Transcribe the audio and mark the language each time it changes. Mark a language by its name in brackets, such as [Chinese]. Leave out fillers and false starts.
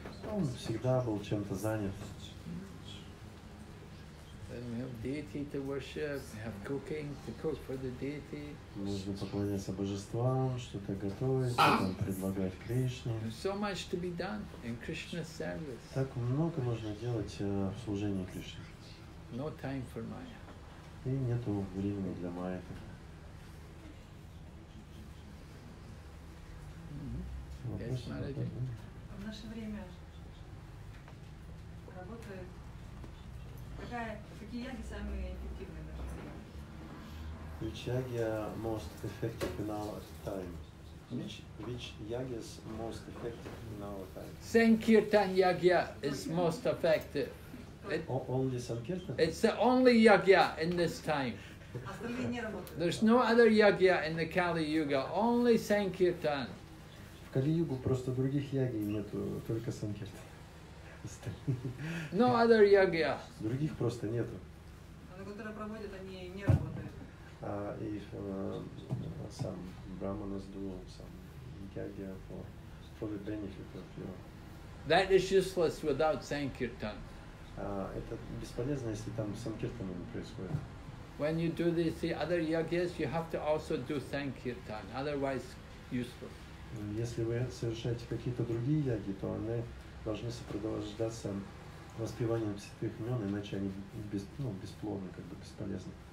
[Russian] Он всегда был чем-то занят. [English] And we have deity to worship, we have cooking to cook for the deity. [Russian] Нужно поклоняться божествам, что-то готовить, там предлагать Кришне. [English] So much to be done in Krishna's service. [Russian] Так много нужно делать в служении Кришне. [English] No time for Maya. [Russian] И нету времени для Майи. Mm-hmm. [English] Yes, Maharaj. [Russian] В наше время работает. Какие яги самые эффективные в нашем мире? [English] Which yagi most effective in our time? Which yagi is most effective in our time? Sankirtan yagi is most effective. Only Sankirtan? It's the only yagi in this time. There's no other yagi in the Kali Yuga, only Sankirtan. [Russian] В Кали Югу просто других яги нету, только Sankirtan. [English] No other yagya. [Russian] Других просто нету. На которые проводят, они не работают. [English] If some brahmanas do some yagya for the benefit of you. That is useless without sankirtan. [Russian] Это бесполезно, если там санкиртана не происходит. [English] When you do these other yagyas, you have to also do sankirtan, otherwise useless. [Russian] Если вы совершаете какие-то другие яги, то они должны сопровождаться воспеванием святых имен, иначе они бесплодны, как бы бесполезны.